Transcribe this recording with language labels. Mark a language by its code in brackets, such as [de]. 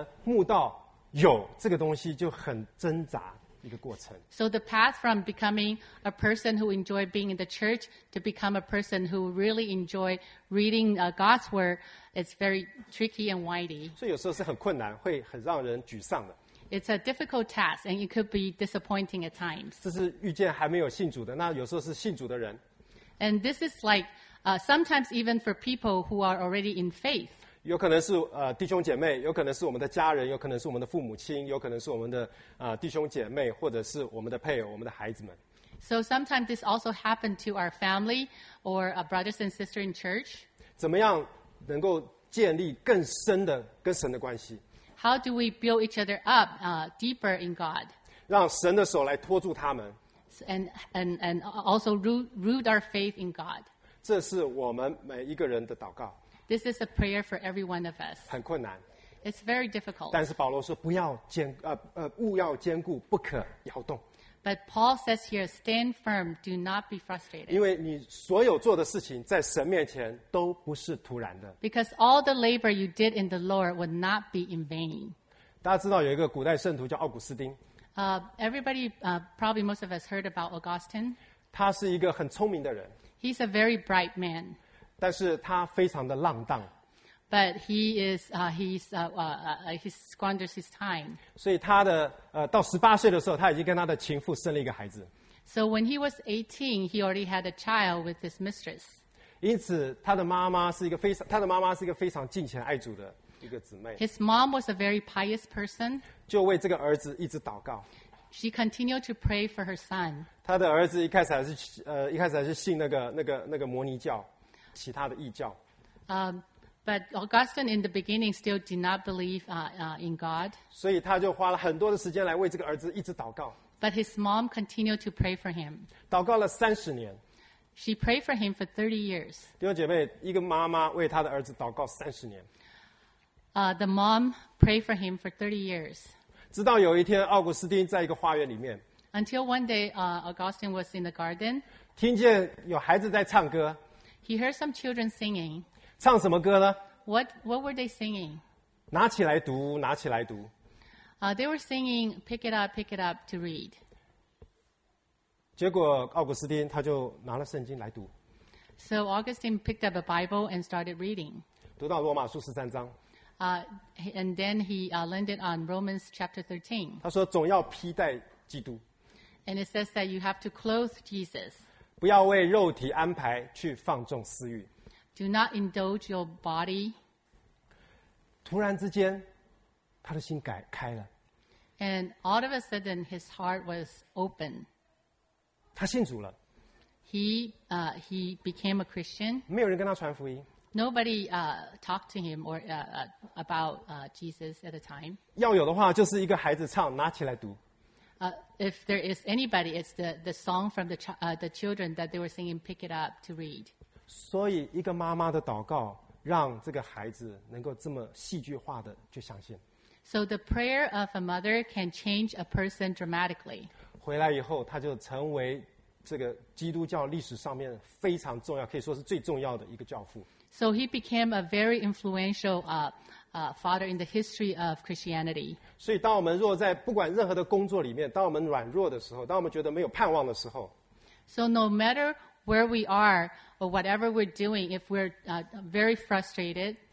[zh] 所以从这个慕道友变成慕道友这个东西就很挣扎。 [en] So the path from becoming a person who enjoy being in the church to become a person who really enjoy reading God's word is very tricky and windy. [zh] 所以有时候是很困难，会很让人沮丧的。 [en] It's a difficult task, and it could be disappointing at times. [zh] 这是遇见还没有信主的，那有时候是信主的人。 [en] And this is like sometimes even for people who are already in faith. [zh] 有可能是弟兄姐妹，有可能是我们的家人，有可能是我们的父母亲，有可能是我们的弟兄姐妹，或者是我们的配偶，我们的孩子们。 [en] So sometimes this also happened to our family or our brothers and sisters in church. [zh] 怎么样能够建立更深的跟神的关系？ [en] How do we build each other up deeper in God? [zh] 让神的手来托住他们。 [en] and also root our faith in God. [zh] 这是我们每一个人的祷告。 [en] This is a prayer for every one of us. [zh] 很困难。 [en] It's very difficult. [zh] 但是保罗说不要坚勿要坚固，不可摇动。 [en] But Paul says here, stand firm, do not be frustrated. [zh] 因为你所有做的事情在神面前都不是突然的。 [en] Because all the labor you did in the Lord would not be in vain. [zh] 大家知道有一个古代圣徒叫奥古斯丁。 [en] Everybody, probably most of us heard about Augustine. [zh] 他是一个很聪明的人。 [en] He's a very bright man. [zh] 但是他非常的浪荡。 [en] But he is, he squanders his time. [zh] 所以他的到十八岁的时候，他已经跟他的情妇生了一个孩子。 [en] So when he was 18, he already had a child with his mistress. [zh] 因此，他的妈妈是一个非常，他的妈妈是一个非常敬虔爱主的一个姊妹。 [en] His mom was a very pious person. [zh] 就为这个儿子一直祷告。 [en] She continued to pray for her son. [zh] 他的儿子一开始还是一开始还是信那个摩尼教，其他的异教。 [en] But Augustine in the beginning still did not believe in God. [zh] 所以他就花了很多的时间来为这个儿子一直祷告。 [en] But his mom continued to pray for him. [zh] 祷告了三十年。 [en] She prayed for him for 30 years. [zh] 弟兄姐妹，一个妈妈为她的儿子祷告三十年。 [en] The mom prayed for him for 30 years. [zh] 直到有一天，奥古斯丁在一个花园里面。 [en] Until one day, Augustine was in the garden. [zh] 听见有孩子在唱歌。 [en] He heard some children singing. [zh] 唱什么歌呢 [en] what were they singing? [zh] 拿起来读，拿起来读。 [en] They were singing, pick it up to read. [zh] 结果奥古斯丁他就拿了圣经来读。 [en] So Augustine picked up a Bible and started reading. [zh] 读到罗马书十三章。 [en] And then he landed on Romans chapter 13. [zh] 他说总要披戴基督。 [en] And it says that you have to clothe Jesus. [zh] 不要为肉体安排去放纵私欲。 [en] Do not indulge your body. [zh] 突然之间，他的心改开了。 [en] And all of a sudden, his heart was open. [zh] 他信主了。 [en] He became a Christian. [zh] 没有人跟他传福音。 [en] Nobody talked to him or about Jesus at the time. [zh] 要有的话，就是一个孩子唱，拿起来读。 [en] If there is anybody, it's the song from the children that they were singing. Pick it up to read. [zh] 所以一个妈妈的祷告让这个孩子能够这么戏剧化的就相信。 [en] So the prayer of a mother can change a person dramatically. [zh] 回来以后他就成为这个基督教历史上面非常重要，可以说是最重要的一个教父。 [en] So he became a very influential father in the history of Christianity. [zh] 所以当我们若在不管任何的工作里面，当我们软弱的时候，当我们觉得没有盼望的时候， [en] So no matterWhere we are, or whatever we're doing, if we're very frustrated,